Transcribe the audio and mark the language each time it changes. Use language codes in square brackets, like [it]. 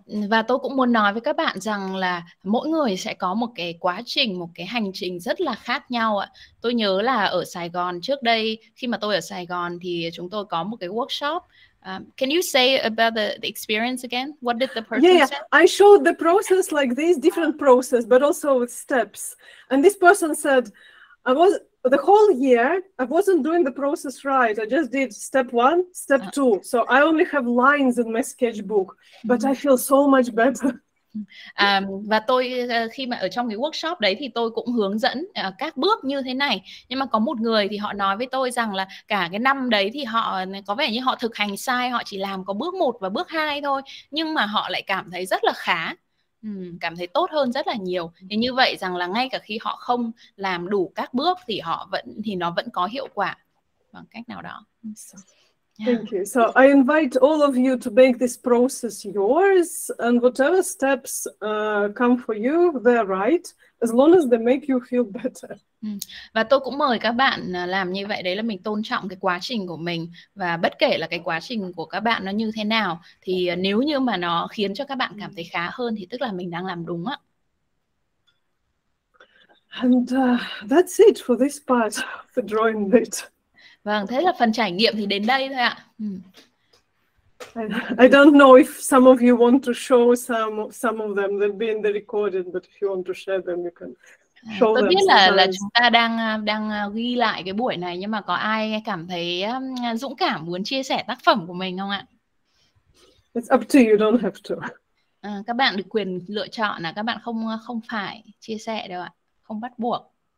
[vi] Và tôi cũng muốn nói với các bạn rằng là mỗi người sẽ có một cái quá trình, một cái hành trình rất là khác nhau ạ. Tôi nhớ là ở Sài Gòn trước đây, khi mà tôi ở Sài Gòn thì chúng tôi có một cái workshop. [en] Can you say about the experience again? What did the person say? I showed the process like this, different process, but also with steps. And this person said, I was the whole year, I wasn't doing the process right. I just did step one, step two. So I only have lines in my sketchbook, but I feel so much better. [vi] Và tôi khi mà ở trong cái workshop đấy thì tôi cũng hướng dẫn các bước như thế này, nhưng mà có một người thì họ nói với tôi rằng là cả cái năm đấy thì họ có vẻ như họ thực hành sai, họ chỉ làm có bước 1 và bước 2 thôi, nhưng mà họ lại cảm thấy rất là khá, cảm thấy tốt hơn rất là nhiều. Thì như vậy rằng là ngay cả khi họ không làm đủ các bước thì họ vẫn thì nó vẫn có hiệu quả bằng cách nào đó. [en] Thank you. So I invite all of you to make this process yours, and whatever steps come for you, they're right, as long as they make you feel better. [vi] Và tôi cũng mời các bạn làm như vậy, đấy là mình tôn trọng cái quá trình của mình, và bất kể là cái quá trình của các bạn nó như thế nào, thì nếu như mà nó khiến cho các bạn cảm thấy khá hơn thì tức là mình đang làm đúng ạ. [en] And that's it for this part of the drawing bit. [vi] Vâng, thế là phần trải nghiệm thì đến đây thôi ạ. [en] I don't know if some of you want to show some of them. They'll be in the recording, but if you want to share them, you can show them. [vi] Tôi biết là chúng ta đang ghi lại cái buổi này, nhưng mà có ai cảm thấy dũng cảm muốn chia sẻ tác phẩm của mình không ạ? [en] It's up to you, don't have to. [vi] Các bạn được quyền lựa chọn, là các bạn không phải chia sẻ đâu ạ, không bắt buộc.